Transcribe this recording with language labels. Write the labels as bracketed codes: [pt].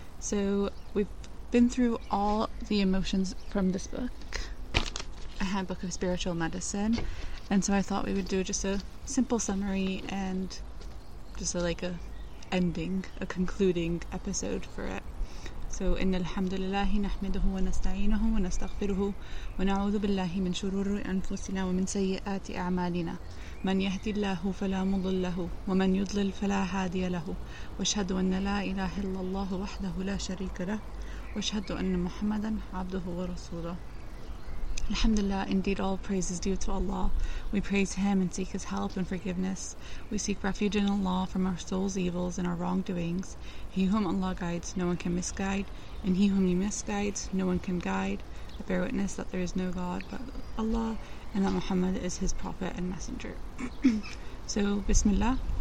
[en] So we've been through all the emotions from this book, a handbook of spiritual medicine, and so I thought we would do just a simple summary and just a concluding episode for it. [ar] So إن الحمد لله نحمده ونستعينه ونستغفره ونعوذ بالله من شرور أنفسنا ومن سيئات أعمالنا من يهدي الله فلا مضل له ومن يضلل فلا هادي له واشهد أن لا إله إلا الله وحده لا شريك له واشهد أن محمدا عبده ورسوله. [en] Alhamdulillah, indeed all praise is due to Allah. We praise Him and seek His help and forgiveness. We seek refuge in Allah from our soul's evils and our wrongdoings. He whom Allah guides, no one can misguide, and he whom He misguides, no one can guide. I bear witness that there is no God but Allah, and that Muhammad is His prophet and messenger. So, Bismillah.